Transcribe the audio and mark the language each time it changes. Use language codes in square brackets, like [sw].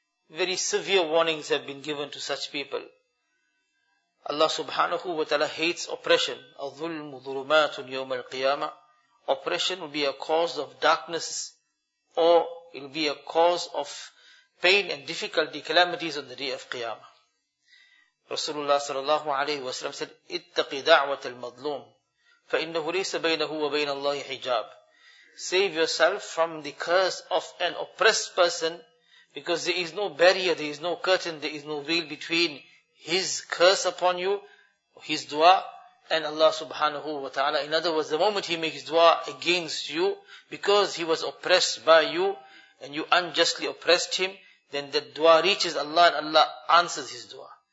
[en] Very severe warnings have been given to such people. Allah subhanahu wa ta'ala hates oppression. [ar] أَظُلْمُ ظُلُمَاتٌ يَوْمَ الْقِيَامَةِ. [en] Oppression will be a cause of darkness, or it will be a cause of pain and difficulty, calamities on the day of Qiyamah. Rasulullah sallallahu alayhi wa sallam said, [ar] اتَّقِ دَعْوَةَ الْمَظْلُومِ فَإِنَّهُ لَيْسَ بَيْنَهُ وَبَيْنَ اللَّهِ حِجَابٌ. [en] Save yourself from the curse of an oppressed person, because there is no barrier, there is no curtain, there is no veil between his curse upon you, his dua, and Allah subhanahu wa ta'ala. In other words, the moment he makes dua against you, because he was oppressed by you, and you unjustly oppressed him, then that dua reaches Allah, and Allah answers his dua.